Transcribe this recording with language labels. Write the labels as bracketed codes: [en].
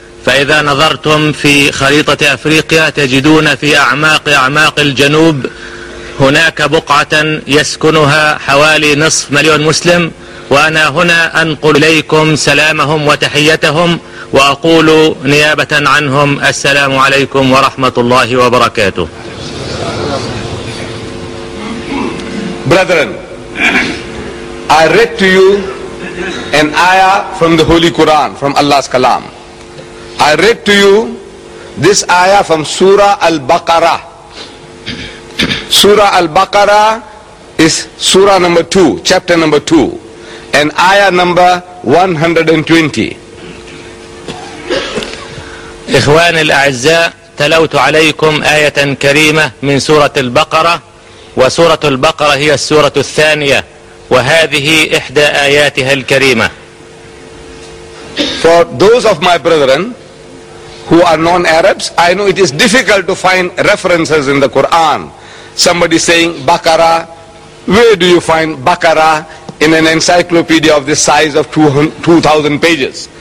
[ar] فإذا نظرتم في خريطة أفريقيا تجدون في أعماق أعماق الجنوب هناك بقعة يسكنها حوالي نصف مليون مسلم، وأنا هنا أنقل إليكم سلامهم وتحيتهم وأقول نيابة عنهم السلام عليكم ورحمة الله وبركاته. [en] Brethren, I read to you an ayah from the Holy Quran, from Allah's Kalam. I read to you this ayah from Surah Al-Baqarah. Surah Al-Baqarah is Surah number 2, chapter number 2, and ayah number 120. [ar] إخواني الأعزاء، تلوت عليكم آية كريمة من سورة البقرة، وسورة البقرة هي السورة الثانية، وهذه إحدى آياتها الكريمة. [en] For those of my brethren who are non-Arabs, I know it is difficult to find references in the Quran. Somebody saying Baqara, where do you find Baqara in an encyclopedia of the size of 2,000 pages?